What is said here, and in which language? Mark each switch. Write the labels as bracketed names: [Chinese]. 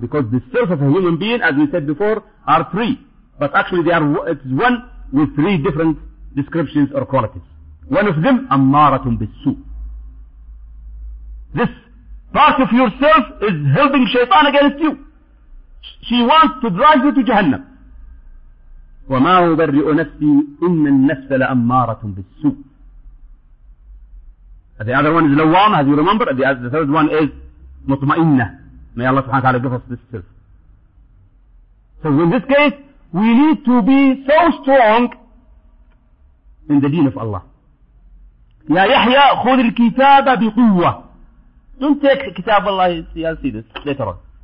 [English] Because the self of a human being, as we said before, are three. But actually it's one with three different descriptions or qualities. One of them, ammaratun bissu. This part of yourself is helping shaitan against you. She wants to drive you to Jahannam. [Arabic] وما أبرئ نفسي إن النفس لأمارة بالسوء. [English] The other one is لوامة, as you remember. The third one is مطمئنة. May Allah subhanahu wa ta'ala give us this self. So in this case, we need to be so strong in the deen of Allah. [Arabic] يا يحيى خذ الكتاب بقوة. [English] Don't take كتاب الله, you'll see this later on.